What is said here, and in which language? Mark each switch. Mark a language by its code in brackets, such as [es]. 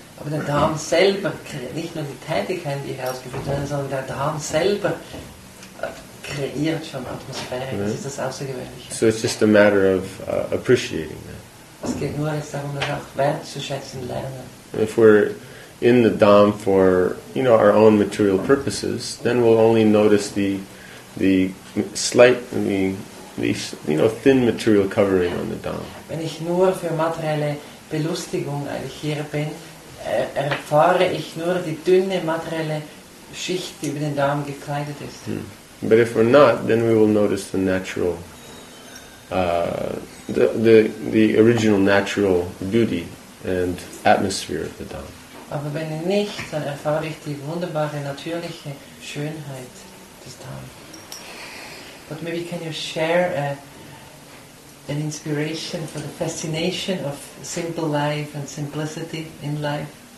[de] Aber der Dham selber, nicht nur die Tätigkeiten, die herausgeführt werden, sondern der Dham selber kreiert schon Atmosphäre. Mm-hmm. Das ist das Außergewöhnliche. [en] So it's just a matter of appreciating that. [de] Es geht nur jetzt darum, das auch wertzuschätzen lernen. [en] If we're in the Dham for, you know, our own material purposes, then we'll only notice the thin material covering on the Dham. [de] Wenn ich nur für materielle Belustigung eigentlich hier bin, erfahre ich nur die dünne materielle Schicht, die über den Dham gekleidet ist. Hmm. [en] But if we're not, then we will notice the natural, the original natural beauty and atmosphere of the Dham. [de] Aber wenn nicht, dann erfahre ich die wunderbare, natürliche Schönheit des Dham. [en] But maybe can you share an inspiration for the fascination of simple life and simplicity in life?